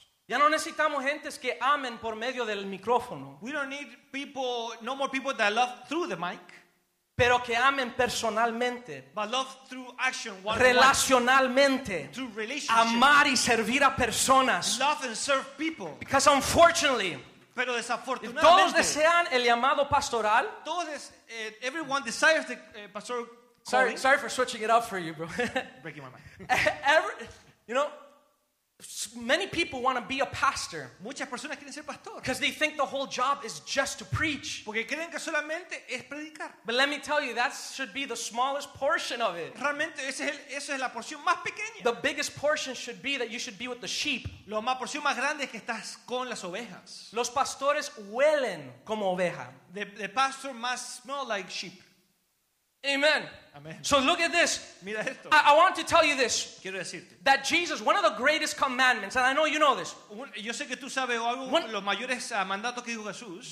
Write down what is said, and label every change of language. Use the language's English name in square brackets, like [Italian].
[Spanish] Ya no necesitamos gentes que amen por medio del micrófono. [English] We don't need people, no more people that love through the mic. [Spanish] Pero que amen personalmente, [English] but love through action, one [Spanish] relacionalmente, [English] one, through relationship, [Spanish] amar y servir a personas. [English] Love and serve people. Because unfortunately, [Spanish] pero desafortunadamente, todos desean el llamado pastoral. [English] Todos, everyone desires the pastoral calling. Sorry for switching it up for you, bro. Breaking my mind. You know, many people want to be a pastor. [Spanish] Muchas personas quieren ser pastor. [English] Because they think the whole job is just to preach. [Spanish] Porque creen que solamente es predicar. [English] But let me tell you, that should be the smallest portion of it. [Spanish] Realmente esa es la porción más pequeña. [English] The biggest portion should be that you should be with the sheep. [Spanish] La porción más grande es que estás con las ovejas. Los pastores huelen como oveja. [English] The pastor must smell like sheep. Amen. Amen. So look at this. [Spanish] Mira esto. [English] I want to tell you this. [Spanish] Quiero decirte. [English] That Jesus, one of the greatest commandments, and I know you know this. [Spanish] Yo sé que tú sabes algo, one, los mayores mandatos que dijo Jesús.